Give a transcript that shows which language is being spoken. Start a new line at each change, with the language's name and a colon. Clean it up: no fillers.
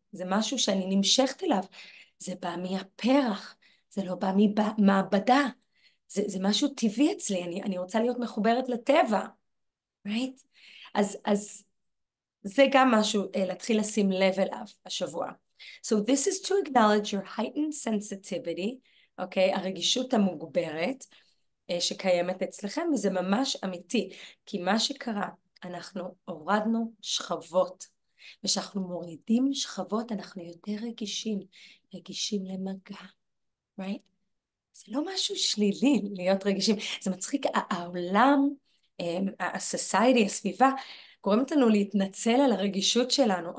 Hebrew: זה משהו שאני נמשכת אליו. זה בא מהפרח, זה לא בא ממעבדה. זה משהו טבעי אצלי, אני רוצה להיות מחוברת לטבע, right? אז זה גם משהו להתחיל לשים לב אליו השבוע.
English: So this is to acknowledge your heightened sensitivity, okay?
Hebrew: הרגישות המוגברת שקיימת אצלכם, וזה ממש אמיתי, כי מה שקרה, אנחנו הורדנו שכבות, ושאנחנו מורידים שכבות, אנחנו יותר רגישים, רגישים למגע, right? זה לא משהו שלילי להיות רגישים, זה מצחיק, העולם, ה-society, הסביבה, גורמת לנו להתנצל על הרגישות שלנו.